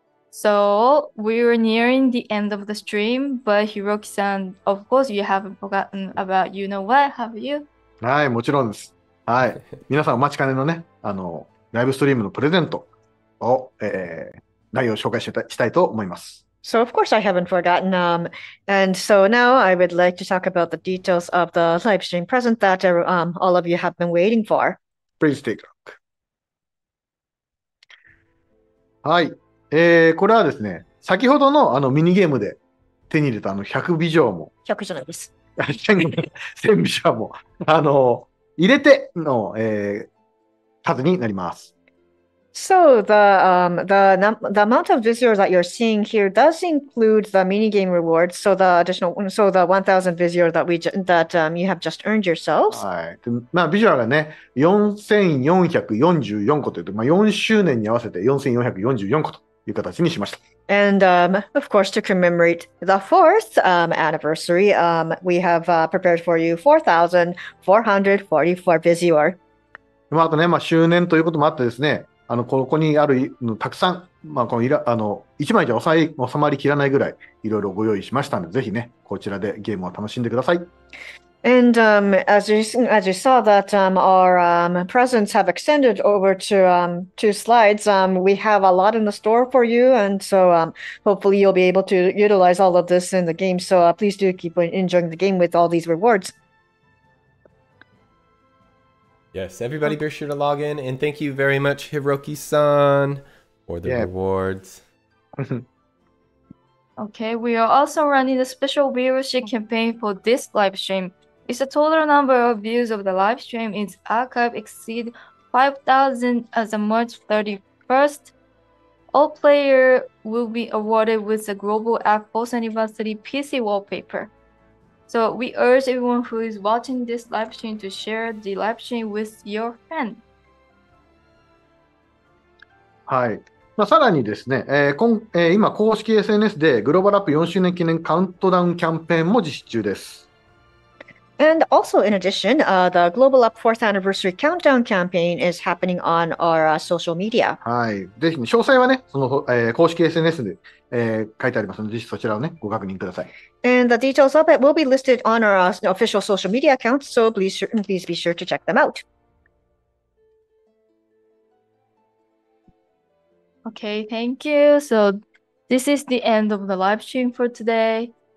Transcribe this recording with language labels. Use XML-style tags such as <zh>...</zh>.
<en>So we were nearing the end of the stream, but Hiroki-san, of course, you haven't forgotten about you know what, have you?</en> <ja>はい、もちろんです。はい、皆さんお待ちかねのね、ライブストリームのプレゼントを、内容を紹介したいと思います。</ja> <en>So of course I haven't forgotten. And so now I would like to talk about the details of the live stream present that all of you have been waiting for. Please take a look.</en> <ja>はい。これはですね、先ほど あのミニゲームで手に入れたあの100ビジョンも。 100じゃないです。 1000ビジョンも。入れての、数になります。</ja> <en>So the amount of visitors that you're seeing here does include the mini game rewards. So the additional, so the 1,000 visitors that we that you have just earned yourselves.</en> <ja>はい。まあビジュアルがね、4,444個というと、まあ4周年に合わせて4,444個という形にしました。</ja> <en>And of course, to commemorate the fourth anniversary, we have prepared for you 4,444</en> <ja>visitors. まああとね、まあ周年ということもあってですね。ここにあるのたくさん、まあ、このいら1枚じゃ収まりきらないぐらいいろいろご用意しましたので、ぜひね、こちらでゲームを楽しんでください。</ja> <en>And as you saw that our presents have extended over to two slides, we have a lot in the store for you, and so hopefully you'll be able to utilize all of this in the game. So please do keep enjoying the game with all these rewards. Yes, everybody be sure to log in. And thank you very much, Hiroki-san, for the rewards. Okay, we are also running a special viewership campaign for this live stream. If the total number of views of the live stream is archived exceed 5,000 as of March 31st, all players will be awarded with the Global App Force Anniversary PC wallpaper. So we urge everyone who is watching this live stream to share the live stream with your friend.</en> <ja>はい。まあ、さらにですね、今公式 SNS でグローバルアップ4周年記念カウントダウンキャンペーンも実施中です。</ja> <en>And also in addition, the Global Up 4th Anniversary Countdown Campaign is happening on our social media.</en> <ja>はい。ぜひ、ね、詳細はね、その、公式 SNS で、書いてありますので、ぜひそちらをね、ご確認ください。</ja> <en>And the details of it will be listed on our official social media account, so please be sure to check them out. Okay, thank you. So this is the end of the live stream for today.</en>